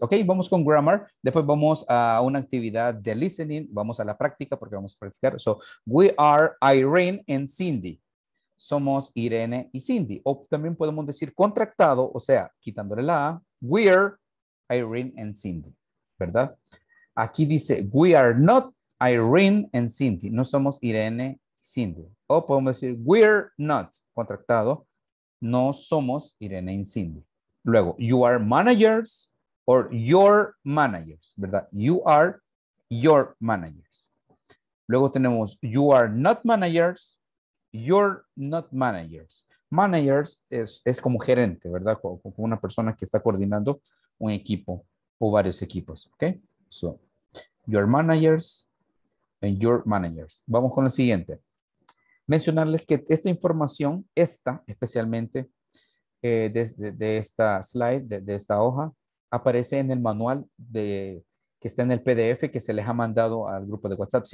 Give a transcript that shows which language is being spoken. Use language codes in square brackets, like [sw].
[es] Ok, vamos con grammar. Después vamos a una actividad de listening. Vamos a la práctica porque vamos a practicar. [en] So, we are Irene and Cindy. [es] Somos Irene y Cindy. O también podemos decir contractado, o sea, quitándole la A. [en] We are Irene and Cindy, ¿verdad? [es] Aquí dice, [en] we are not Irene and Cindy. [es] No somos Irene y Cindy. O podemos decir, [en] we are not, [es] contractado. No somos Irene y Cindy. Luego, [en] you are managers or your managers, [es] ¿verdad? [en] You are your managers. [es] Luego tenemos, [en] you are not managers, you're not managers. [es] Managers es como gerente, ¿verdad? Como una persona que está coordinando un equipo o varios equipos, ¿ok? [en] So, your managers and your managers. [es] Vamos con el siguiente. Mencionarles que esta información, esta especialmente, de esta slide, de esta hoja, aparece en el manual de, que está en el PDF que se les ha mandado al grupo de WhatsApp.